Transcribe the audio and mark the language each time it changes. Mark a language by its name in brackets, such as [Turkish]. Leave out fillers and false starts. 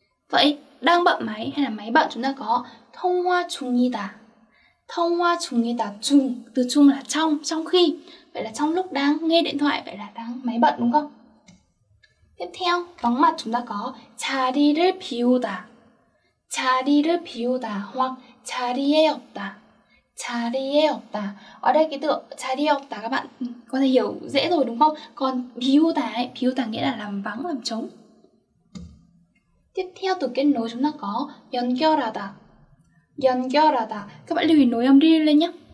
[Vietnamese] Vậy đang bận máy hay là máy bận chúng ta có [Korean] 통화 중이다. 통화 중이다. [Vietnamese] 중, từ chung là trong khi. Vậy là trong lúc đang nghe điện thoại, vậy là đang máy bận đúng không? Tiếp theo, vắng mặt chúng ta có [Korean] 자리를 비우다. 자리를 비우다 hoặc 자리에 없다. 자리에 없다. [Vietnamese] Ở đây cái từ [Korean] 자리에 없다 [Vietnamese] các bạn có thể hiểu dễ rồi đúng không? Còn 비우다 ấy, 비우다 nghĩa là làm vắng, làm trống. Tiếp theo từ kết nối chúng ta có 연결하다. [Korean] 연결하다. [Vietnamese] Các bạn lưu ý nối âm đi lên nhé.